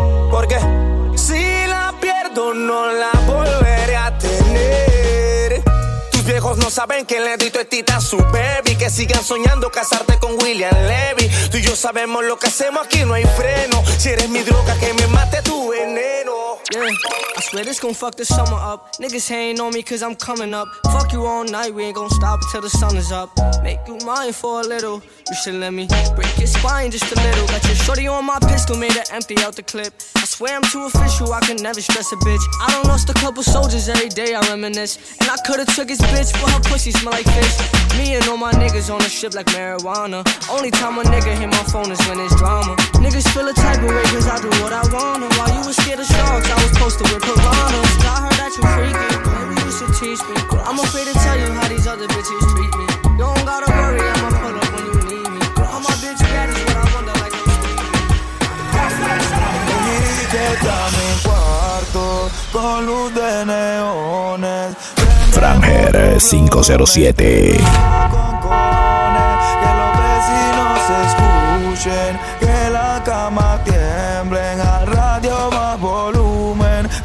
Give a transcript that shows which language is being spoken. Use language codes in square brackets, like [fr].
[es] Porque si la pierdo, no la volveré a tener. Tus viejos no saben que le di tu estita a su baby. Que sigan soñando casarte con William Levy. Tú y yo sabemos lo que hacemos, aquí no hay freno. Si eres mi droga, que me mate tu veneno. [en] Yeah, I swear this gon' fuck the summer up. Niggas hating on me cause I'm coming up. Fuck you all night, we ain't gon' stop until the sun is up. Make you mine for a little. You should let me break your spine just a little. Got your shorty on my pistol, made it empty out the clip. I swear I'm too official, I can never stress a bitch. I done lost a couple soldiers every day, I reminisce. And I could've took his bitch, but her pussy smell like fish. Me and all my niggas on a ship like marijuana. Only time a nigga hit my phone is when it's drama. Niggas feel a type of way cause I do what I wanna. While you was scared of sharks, I was supposed to wear piranhas. I heard that you're freaking. Maybe you should teach me. I'm afraid to tell you how these other bitches treat me. You don't gotta worry, I'ma pull up when you need me. All my bitch bad is what I wonder like I'm sleeping. [es] Y queda mi cuarto con luz de neones. Framger 507. Con cojones, que los vecinos se escuchen. Que la cama tiemble en al radio más volumen.